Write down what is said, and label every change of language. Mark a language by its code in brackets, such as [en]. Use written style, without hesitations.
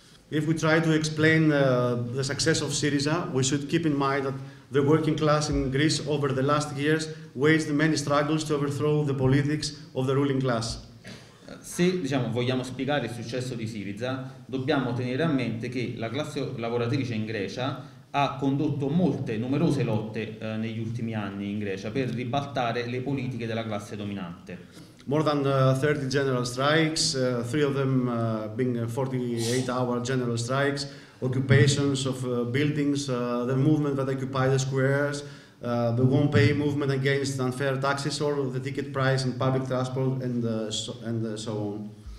[en] If we try to explain the success of Syriza, we should keep in mind that the working class in Greece over the last years waged many struggles to overthrow the politics of the ruling class. [it] Se diciamo vogliamo spiegare il successo di Syriza, dobbiamo tenere a mente che la classe lavoratrice in Grecia ha condotto molte, numerose lotte negli ultimi anni in Grecia per ribaltare le politiche della classe dominante. [en] More than 30 general strikes, three of them being 48-hour general strikes, occupations of buildings, the movement that occupied the squares, the won't pay movement against unfair taxes or the ticket price in public transport and so on.